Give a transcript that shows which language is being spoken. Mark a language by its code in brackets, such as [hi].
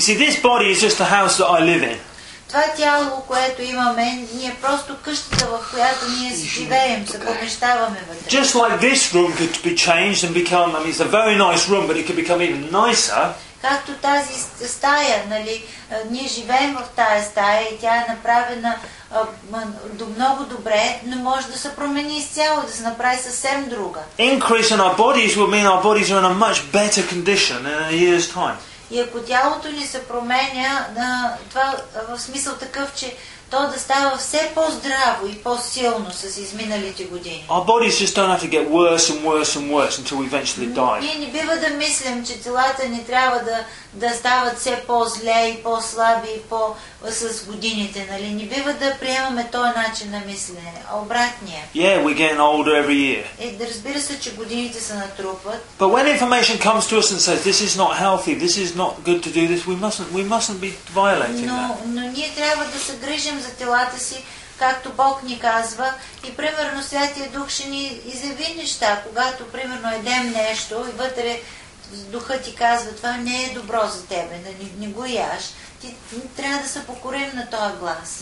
[en] You see, this body is just the house that I live in. [bg] Това тяло, което имаме, ние просто къщата, в която ние живеем, се помещаваме вътре. [en] Just like this room could be changed and become, I mean, it's a very nice room, but it could become even nicer. [bg] Както тази стая, нали, ние живеем в тази стая и тя е направена до много добре, но може да се промени изцяло, да се направи съвсем друга. [en] Increase in our bodies will mean our bodies are in a much better condition in a year's time. [bg] И ако тялото ни се променя, това в смисъл такъв, че то да става все по-здраво и по-силно с изминалите години. [en] Our bodies just don't have to get worse and worse and worse until we eventually die. [bg] Ние не бива да мислим, че телата ни трябва да стават все по-зле и по-слаби и по с годините, нали? Не бива да приемаме този начин на мислене, а обратния. [en] Yeah, we're getting older every year. [bg] И да разбира се, че годините се натрупват. [en] But when information comes to us and says this is not healthy, this is not good to do this, we mustn't be violating that. [bg] Но ние трябва да се грижим за телата си, както Бог ни казва, и примерно Святия Дух ще ни изяви неща, когато примерно едем нещо и вътре Духът ти казва, това не е добро за тебе, не го яш. Ти трябва да се покорим на този глас.